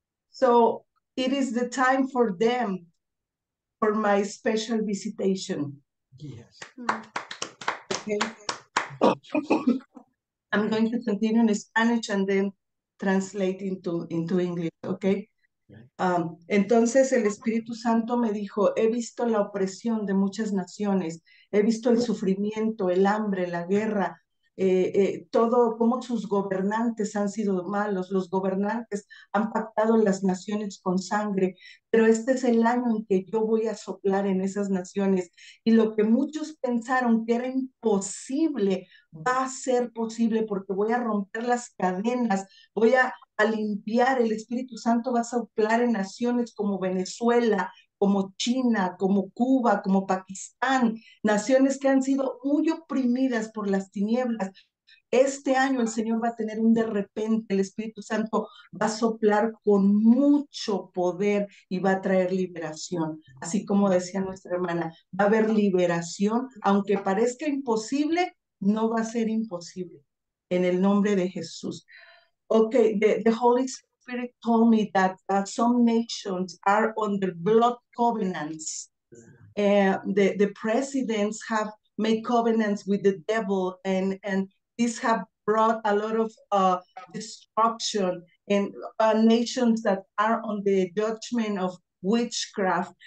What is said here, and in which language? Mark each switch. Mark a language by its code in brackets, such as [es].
[en] So it is the time for them, for my special visitation. Yes. Okay. I'm going to continue in Spanish and then translate into English, okay? [es] Entonces el Espíritu Santo me dijo, he visto la opresión de muchas naciones, he visto el sufrimiento, el hambre, la guerra, todo, cómo sus gobernantes han sido malos, los gobernantes han pactado las naciones con sangre, pero este es el año en que yo voy a soplar en esas naciones y lo que muchos pensaron que era imposible, va a ser posible porque voy a romper las cadenas, voy a limpiar, el Espíritu Santo va a soplar en naciones como Venezuela, como China, como Cuba, como Pakistán, naciones que han sido muy oprimidas por las tinieblas. Este año el Señor va a tener un de repente, el Espíritu Santo va a soplar con mucho poder y va a traer liberación. Así como decía nuestra hermana, va a haber liberación, aunque parezca imposible, no va a ser imposible. En el nombre de Jesús. [en] Okay, the Holy Spirit told me that some nations are under blood covenants. The presidents have made covenants with the devil, and this have brought a lot of destruction in nations that are on the judgment of witchcraft.